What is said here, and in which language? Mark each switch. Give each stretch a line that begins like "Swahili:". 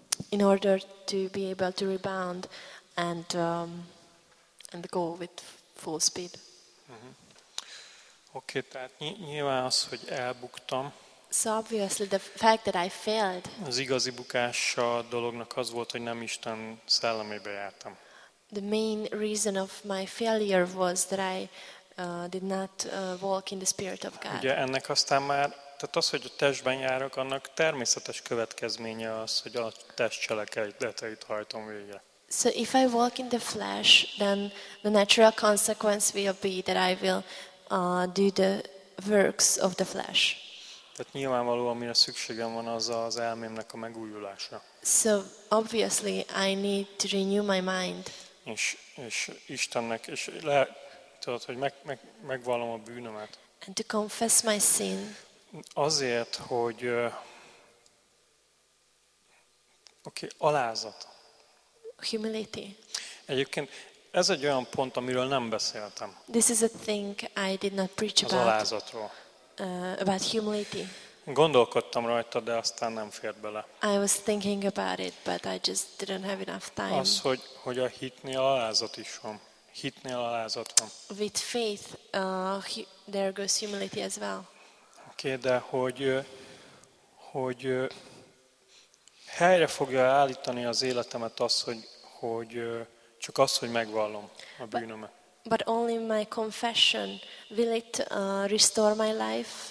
English: In order to be able to rebound and go with full speed. Uh-huh.
Hungarian: Oké, tehát nyilván az, hogy elbuktam.
English: So obviously the fact that I failed.
Hungarian: Az igazi bukás a dolognak az volt, hogy nem Isten szellemébe jártam.
English: The main reason of my failure was that I did not walk in the spirit of God.
Hungarian: Ugye ennek aztán már, tehát az, hogy a testben járok, annak természetes következménye az, hogy a test cselekedeteit hajtom végre.
English: So if I walk in the flesh, then the natural consequence will be that I will do the works of the flesh.
Hungarian: Tehát nyilvánvalóan, amire szükségem van, az az elmémnek a megújulása.
English: So obviously I need to renew my mind.
Hungarian: És Istennek, és lehet, tudod, hogy megvallom a bűnömet.
English: And to confess my sin.
Hungarian: azért, hogy alázat.
English: Humility.
Hungarian: Egyébként ez egy olyan pont, amiről nem beszéltem.
English: This is a thing I did not preach about.
Hungarian: Az alázatról.
English: About humility.
Hungarian: Gondolkodtam rajta, de aztán nem fért bele.
English: I was thinking about it, but I just didn't have enough time.
Hungarian: Az, hogy a hitnél alázat is van. Hitnél alázat van.
English: With faith, there goes humility as well.
Hungarian: Oké, de hogy helyre fogja állítani az életemet az, hogy csak az, hogy megvallom a bűnömet.
English: But only my confession, will it restore my life?